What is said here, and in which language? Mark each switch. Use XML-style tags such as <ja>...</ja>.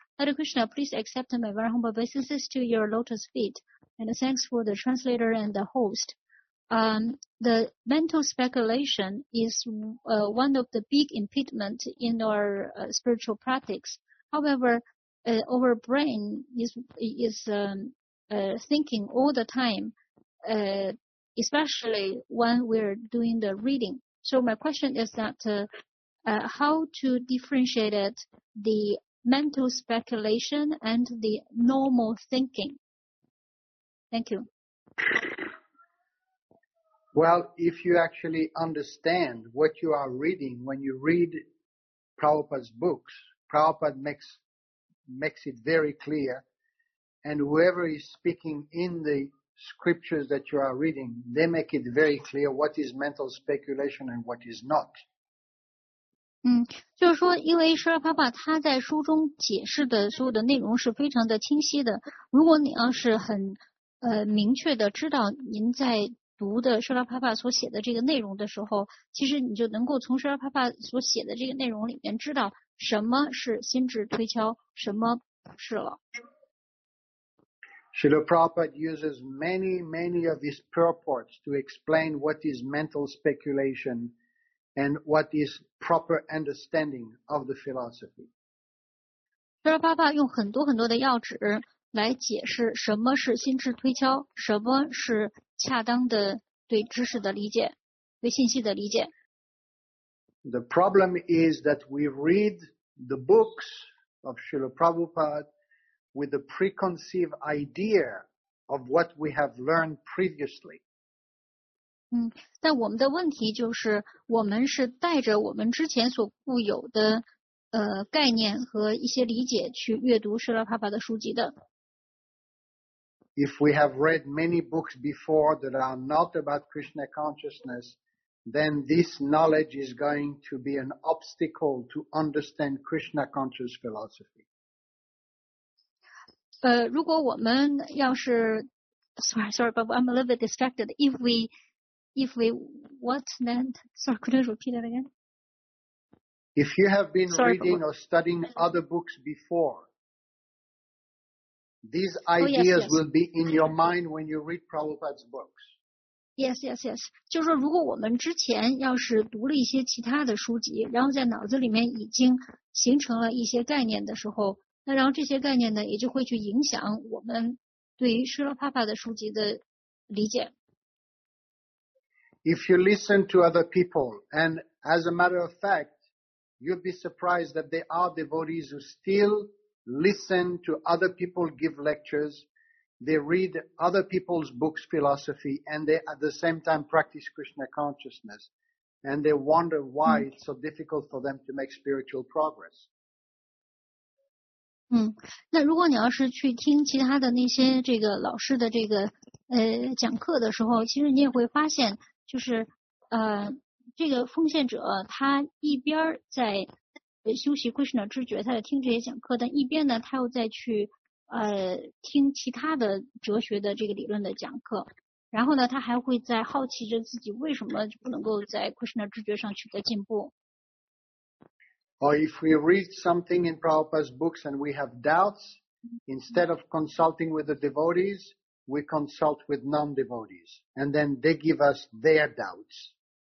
<en>Hare Krishna, please accept my very humble obeisances to your lotus feet, and thanks for the translator and the host. The mental speculation is one of the big impediments in our spiritual practice. However, our brain is thinking all the time, especially when we're doing the reading. So my question is that how to differentiate it, the mental speculation and the normal thinking? Thank you. Well, if you actually understand what you are reading, when you read Prabhupada's books, Prabhupada makes it very clear. And whoever is speaking in the scriptures that you are reading, they make it very clear what is mental speculation and what is not.</en> <zh>就是说因为舍尔帕帕他在书中解释的所有的内容是非常的清晰的，如果你要是很明确的知道您在读的舍尔帕帕所写的这个内容的时候，其实你就能够从舍尔帕帕所写的这个内容里面知道什么是心智推敲，什么不是了。</zh> <en>Srila Prabhupada uses many, many of his purports to explain what is mental speculation and what is proper understanding of the philosophy.</en> <zh>Srila Prabhupada 用很多很多的要旨来解释什么是心智推敲，什么是恰当的对知识的理解，对信息的理解。</zh> <en>The problem is that we read the books of Srila Prabhupada with a preconceived idea of what we have learned previously.</en> <zh>但我们的问题就是我们是带着我们之前所固有的概念和一些理解去阅读舍勒帕帕的书籍的。</zh> <en>If we have read many books before that are not about Krishna consciousness, then this knowledge is going to be an obstacle to understand Krishna conscious philosophy.</en> <zh>如果我们要是</zh> <en>，sorry, but I'm a little bit distracted. If we, what then? Sorry, could you repeat it again? If you have been reading but... or studying other books before, these ideas yes. will be in your mind when you read Prabhupada's books. Yes, yes, yes.</en> <zh>就是说如果我们之前要是读了一些其他的书籍，然后在脑子里面已经形成了一些概念的时候，那然后这些概念呢也就会去影响我们对于施乐帕帕的书籍的理解。</zh> <en>If you listen to other people, and as a matter of fact, you'd be surprised that there are devotees who still listen to other people give lectures,They read other people's books, philosophy, and they at the same time practice Krishna consciousness. And they wonder why it's so difficult for them to make spiritual progress.</en> <zh>那如果你要是去听其他的那些这个老师的这个讲课的时候，其实你也会发现，就是这个奉献者他一边在修习 Krishna 知觉，他在听这些讲课，但一边呢，他又在去。听其他的哲学的这个理论的讲课，然后呢，他还会在好奇着自己为什么不能够在 Krishna 知觉上取得进步。</zh> <en>Or if we read something in Prabhupada's books and we have doubts, instead of consulting with the devotees, we consult with non-devotees, and then they give us their doubts.</en>